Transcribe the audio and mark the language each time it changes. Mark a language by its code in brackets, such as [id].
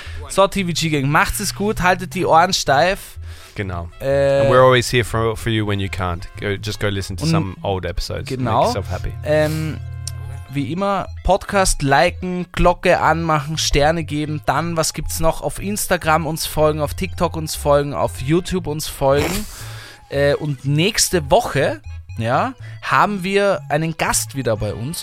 [de] So, TVG Gang, macht es gut, haltet die Ohren steif. Genau. [en] And we're always here for you when you can't. Just go listen to some old episodes. [de] Genau. [en] Make yourself happy. [de] Wie immer, Podcast liken, Glocke anmachen, Sterne geben. Dann, was gibt's noch? Auf Instagram uns folgen, auf TikTok uns folgen, auf YouTube uns folgen. Und nächste Woche, ja, haben wir einen Gast wieder bei uns.